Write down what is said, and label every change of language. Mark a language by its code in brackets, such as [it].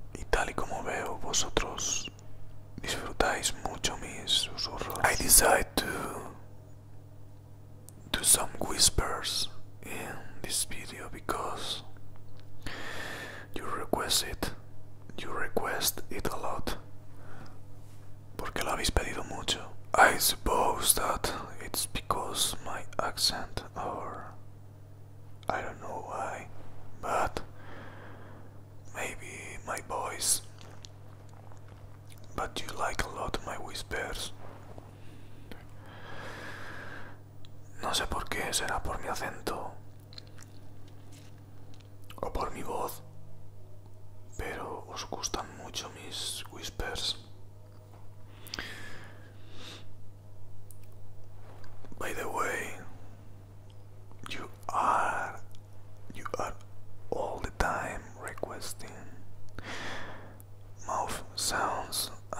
[es] tal y como veo, vosotros disfrutáis mucho mis susurros. [en] I decide to do some whispers in this video because you request it. You request it a lot. [es] Porque lo habéis pedido mucho. [en] I suppose that it's because my accent or I don't know why, but maybe my voice. But you like a lot my whispers. [es] No sé por qué, será por mi acento o por mi voz, pero os gustan mucho mis whispers. [en] By the way, you are all the time requesting mouth sounds.